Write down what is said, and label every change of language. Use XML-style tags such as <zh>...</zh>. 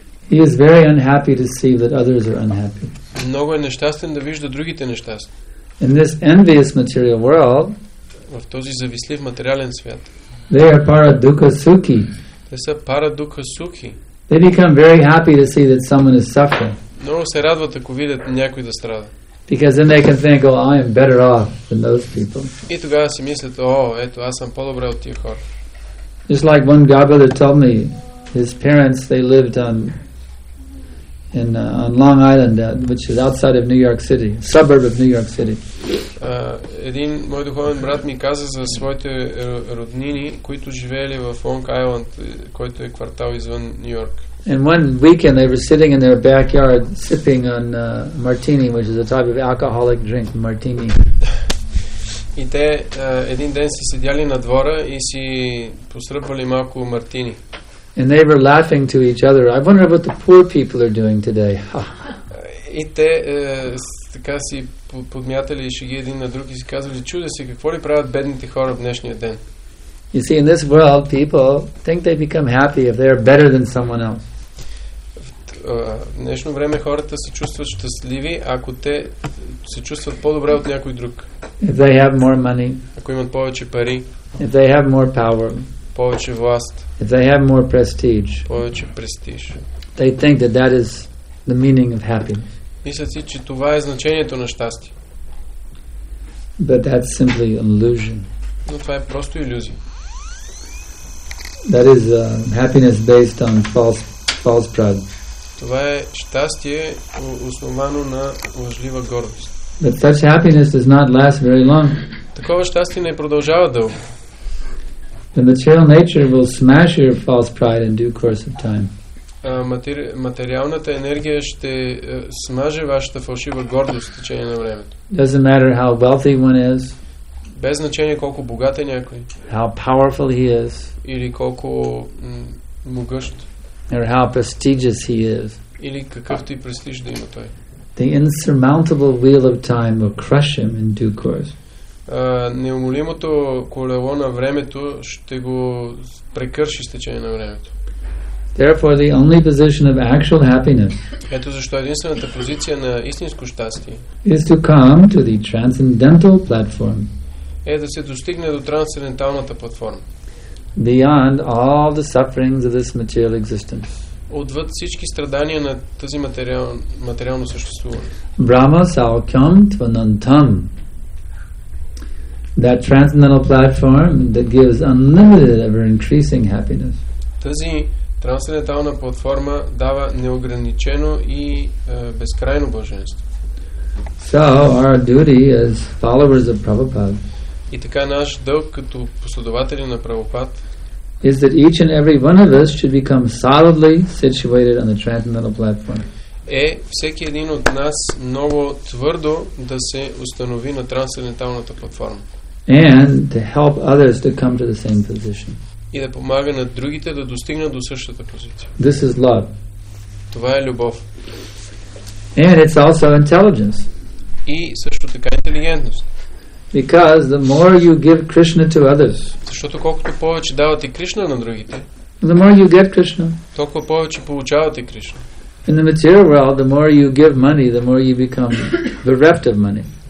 <en>He is very unhappy to see that others are unhappy.</en> <bg>Много е нещастен да вижда другите нещастни.</bg> <en>In this envious material world,</en> <bg>в този завистлив материален свят,</bg> <en>they are paradukha sukhi.</en> <bg>Те са парадукха сухи.</bg> <en>They become very happy to see that someone is suffering.</en> <bg>Много се радват, ако видят някой да страда.</bg> <en>Because then they can think, "Oh, I am better off than those people."</en> <bg>И тогава си мислят, "О, ето, аз съм по-добре от тия хора."</bg> <en>Just like one Godbrother told me, his parents, they lived on Long Island, which is outside of New York City, suburb of New York City.</en> <bg>Един мой духовен брат ми каза за своите роднини, които живеели в Long Island, който е квартал извън Нью Йорк.</bg> <en>And one weekend they were sitting in their backyard sipping on martini, which is a type of alcoholic drink, martini.</en> <bg>И те един ден си седяли на двора и си посръпвали малко мартини.</bg> <en>And they were laughing to each other. I wonder what the poor people are doing today.</en> <bg>И те така си подмятали шеги един на друг и си казвали, чудя се, какво ли правят бедните хора в днешния ден?</bg> <en>You see, in this world, people think they become happy if they are better than someone else.</en> <bg>В днешно време хората се чувстват щастливи, ако те се чувстват по-добре от някой друг.</bg> <en>If they have more money.</en> <bg>Ако имат повече пари.</bg> <en>If they have more power.</en> <bg>Повече власт.</bg> <en>If they have more prestige.</en> <bg>Повече престиж.</bg> <en>They think that that is the meaning of happiness.</en> <bg>Мислят си, че това е значението на щастие.</bg> <en>But that's simply an illusion.</en> <bg>Но това е просто илюзия.</bg> <en>That is happiness based on false pride.</en> <bg>Това е щастие, основано на лъжлива гордост.</bg> <en>But such happiness does not last very long.</en> <bg>Такова щастие не продължава дълго.</bg> <en>The material nature will smash your false pride in due course of time.</en> <bg>Материалната енергия ще смаже вашата фалшива гордост в течение на времето.</bg> <en>Doesn't matter how wealthy one is.</en> <bg>Без значение колко богат е някой.</bg> <en>How powerful he is.</en> <bg>Или колко могъщ.</bg> <en>Or how prestigious he is.</en> <bg>Или какъвто и престиж да има той.</bg> <en>The insurmountable wheel of time will crush him in due course.</en> <bg>Неумолимото колело на времето ще го прекърши с течение на времето.</bg> <en>Therefore, the only position of actual happiness.</en> <bg>Ето защо единствената позиция на истинско щастие.</bg> <en>Is to come to the transcendental platform.</en> <bg>Е да се достигне до трансценденталната платформа.</bg> <en>Beyond all the sufferings of this material existence.</en> <bg>Отвъд всички страдания на тази материално съществуване.</bg> <sa>Brahma Saukhyam Tvanantam.</sa> <en>That transcendental platform that gives unlimited, ever increasing happiness.</en> <bg>Тази Трансцендентална платформа дава неограничено и безкрайно блаженство.</bg> <en>So our duty as followers of Prabhupada.</en> <bg>И така наш дълг като последователи на Прабхупад.</bg> <en>Is that each and every one of us should become solidly situated on the transcendental platform.</en> <bg>Е всеки един от нас много твърдо да се установи на трансценденталната платформа.</bg> <en>And to help others to come to the same position.</en> <bg>И да помага на другите да достигнат до същата позиция.</bg> <en>This is love.</en> <bg>Това е любов.</bg> <en>And it's also intelligence.</en> <bg>И също така интелигентност.</bg> <en>Because the more you give Krishna to others,</en> <bg>защото колкото повече давате Кришна на другите,</bg> <en>the more you get Krishna.</en> <bg>Толкова повече получавате Кришна.</bg> <en>In the material world, the more you give money, the more you become bereft of money.</en>